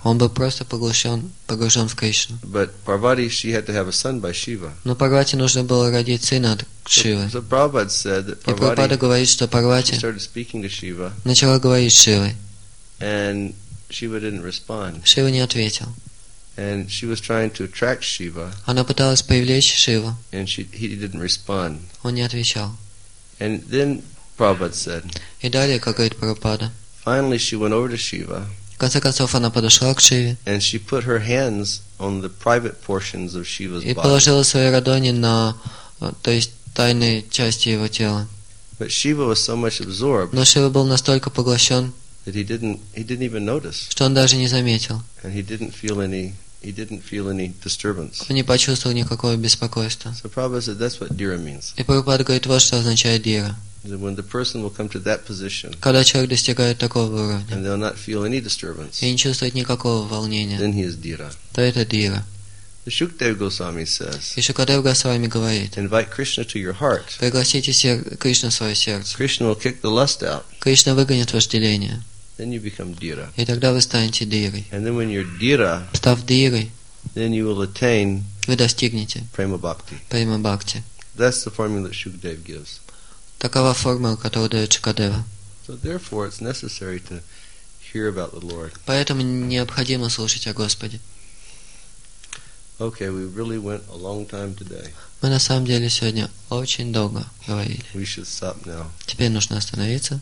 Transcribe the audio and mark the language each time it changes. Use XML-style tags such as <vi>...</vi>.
<ru>Он был просто погружен в Кришну.</ru> <en>But Parvati, she had to have a son by Shiva.</en> <ru>Но Парвати нужно было родить сына от Шивы.</ru> <en>So Prabhupada said that Parvati</en> <ru>говорит, что Парвати</ru> <en>started speaking to Shiva.</en> <ru>Начала говорить с Шивой.</ru> <en>And Shiva didn't respond.</en> <ru>Шива не ответил.</ru> <en>And she was trying to attract Shiva.</en> <ru>Она пыталась привлечь Шиву.</ru> <en>And he didn't respond.</en> <ru>Он не отвечал.</ru> <en>And then Prabhupada said.</en> <ru>И далее, как говорит Прабхупада.</ru> <en>Finally, she went over to Shiva.</en> <ru>В конце концов, она подошла к Шиве.</ru> <en>And she put her hands on the private portions of Shiva's body.</en> <ru>И положила свои ладони на, то есть, тайные части его тела.</ru> <en>But Shiva was so much absorbed.</en> <ru>Но Шива был настолько поглощен.</ru> <en>That he didn't even notice.</en> <ru>Что он даже не заметил.</ru> <en>And he didn't feel any disturbance.</en> <ru>Он не почувствовал никакого беспокойства.</ru> <en>So Prabhupada said, "That's what dira means."</en> <ru>И Прабхупада говорит, вот что означает дира.</ru> <en>When the person will come to that position,</en> <ru>когда человек достигает такого уровня,</ru> <en>and they'll not feel any disturbance,</en> <ru>и не чувствует никакого волнения,</ru> <en>then he is dira.</en> <ru>То это дира.</ru> <en>The Shukdev Goswami says,</en> <ru>и Шукадев Госвами говорит,</ru> <en>invite Krishna to your heart.</en> <ru>Пригласите Кришну в свое сердце.</ru> <en>Krishna will kick the lust out.</en> <ru>Кришна выгонит вожделение.</ru> <en>Then you become dira.</en> <ru>И тогда вы станете дирой.</ru> <en>And then when you're dira,</en> <ru>став дирой,</ru> <en>then you will attain,</en> <ru>вы достигнете према-бхакти.</ru> <en>That's the formula that Shukdev gives.</en> <ru>Такова формула, которую дает Шукадева.</ru> <en>So therefore, it's necessary to hear about the Lord.</en> <ru>Поэтому необходимо слушать о Господе.</ru> <en>Okay, we really went a long time today.</en> <ru>Мы на самом деле сегодня очень долго говорили.</ru> <en>We should stop now.</en> <ru>Теперь нужно остановиться.</ru>